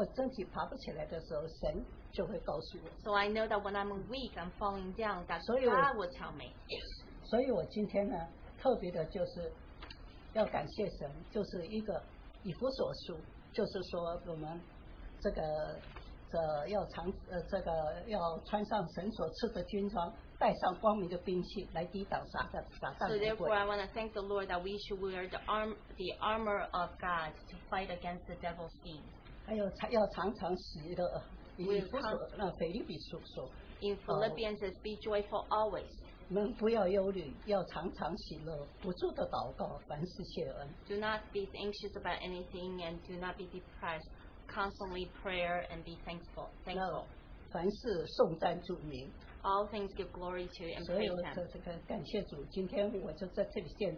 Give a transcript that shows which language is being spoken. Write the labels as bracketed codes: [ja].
[zh] 所以我知道我软弱或跌倒或身体爬不起来的时候, 神就会告诉我。 [en] So I know that when I'm weak, I'm falling down, that God will tell me. [zh] 所以我今天呢, 特别的就是要感谢神, 就是一个以弗所书, 就是说我们这个, 这要穿上神所赐的军装, 带上光明的兵器来抵挡撒旦。 [en] So therefore, I want to thank the Lord that we should wear the armor of God to fight against the devil's schemes. [zh] 还有要常常喜乐，以弗所那腓立比书说。 [en] In Philippians, it says, be joyful always. [zh] 我们不要忧虑，要常常喜乐，不住的祷告，凡事谢恩。 [en] Do not be anxious about anything, and do not be depressed. Constantly prayer and be thankful. All things give glory to and praise Him.